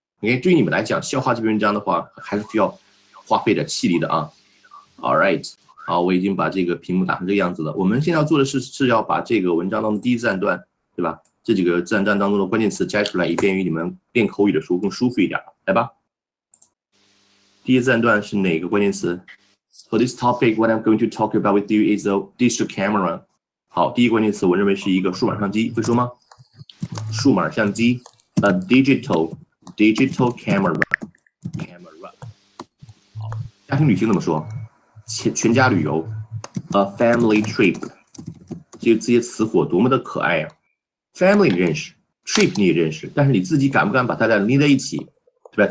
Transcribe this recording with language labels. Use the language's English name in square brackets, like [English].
[Chinese] OK， 对于你们来讲，消化这篇文章的话，还是需要花费点气力的啊。 [English] All right。 [Chinese] 好，我已经把这个屏幕打成这个样子了。我们现在要做的是要把这个文章当中第一自然段，对吧？这几个自然段当中的关键词摘出来，以便于你们练口语的时候更舒服一点。来吧，第一自然段是哪个关键词 ？ For this topic, what I'm going to talk about with you is a digital camera. 好，第一关键词我认为是一个数码相机，会说吗？数码相机 ， a digital camera. Camera. 好，家庭旅行怎么说？全家旅游 ， a family trip，这些词火多么的可爱呀、啊、！Family 你认识 ，trip 你也认识，但是你自己敢不敢把它俩连在一起，对吧？